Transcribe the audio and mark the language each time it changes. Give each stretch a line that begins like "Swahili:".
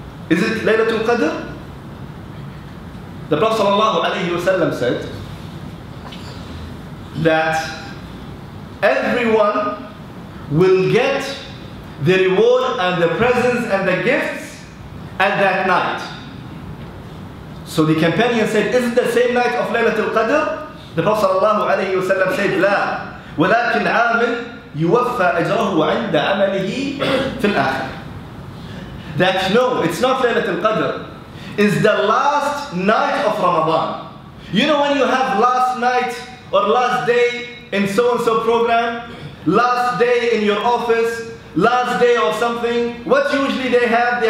English: Is it Laylatul Qadr? The Prophet sallallahu alayhi wa sallam said that everyone will get the reward and the presents and the gifts at that night. So the companion said, is it the same night of Laylatul Qadr? The Prophet sallallahu alayhi wa sallam said,
Arabic: لا ولكن عامل يوفى أجره عند عمله في الآخر.
English: That no, it's not Laylatul Qadr. It's the last night of Ramadan. You know when you have last night or last day in so-and-so program, last day in your office, last day or something, what usually they have?